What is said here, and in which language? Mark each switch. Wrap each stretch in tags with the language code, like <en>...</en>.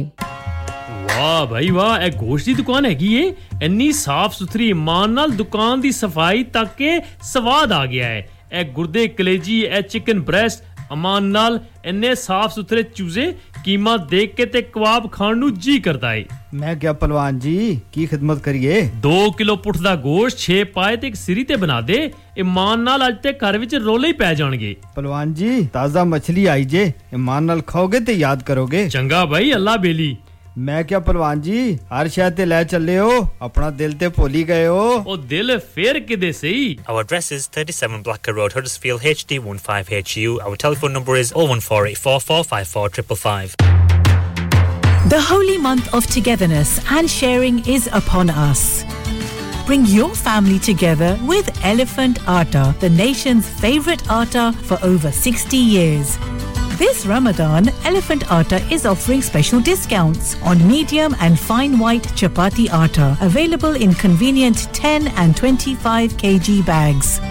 <pa>वाह भाई वाह ए गोश्त की दुकान है की ये इतनी साफ सुथरी मान नाल दुकान दी सफाई तक के स्वाद आ गया है ए गुर्दे कलेजी ए चिकन ब्रेस्ट अमान नाल इतने साफ सुथरे चूजे कीमा देख के ते कबाब खाण नु जी करदा है ਮੈਂ ਕਿਹਾ ਪਹਿਲਵਾਨ ਜੀ ਕੀ ਖਿਦਮਤ ਕਰੀਏ 2 ਕਿਲੋ ਪੁੱਠ ਦਾ ਗੋਸ਼ਤ 6 ਪਾਏ ਤੇ ਇੱਕ ਸਿਰੀ ਤੇ ਬਣਾ ਦੇ ਇਮਾਨ ਨਾਲ ਅੱਜ ਤੇ ਘਰ ਵਿੱਚ ਰੋਲੇ ਹੀ ਪੈ ਜਾਣਗੇ ਪਹਿਲਵਾਨ ਜੀ ਤਾਜ਼ਾ ਮੱਛਲੀ ਆਈ ਜੇ ਇਮਾਨ ਨਾਲ ਖਾਓਗੇ ਤੇ ਯਾਦ ਕਰੋਗੇ ਚੰਗਾ ਬਾਈ ਅੱਲਾ ਬੇਲੀ ਮੈਂ ਕਿਹਾ ਪਹਿਲਵਾਨ ਜੀ ਹਰ ਸ਼ਹਿਰ ਤੇ ਲੈ ਚੱਲੇ ਹੋ ਆਪਣਾ ਦਿਲ ਤੇ ਭੁੱਲ ਹੀ ਗਏ ਹੋ ਉਹ ਦਿਲ ਫੇਰ ਕਿਦੇ ਸਹੀ</pa> <en>Our address is 37 Blacker road Huddersfield HD15HU our telephone number is 01484454555 The holy month of togetherness and sharing is upon us. Bring your family together with Elephant Atta, the nation's favorite atta for over 60 years. This Ramadan, Elephant Atta is offering special discounts on medium and fine white chapati atta, available in convenient 10 and 25 kg bags.</en>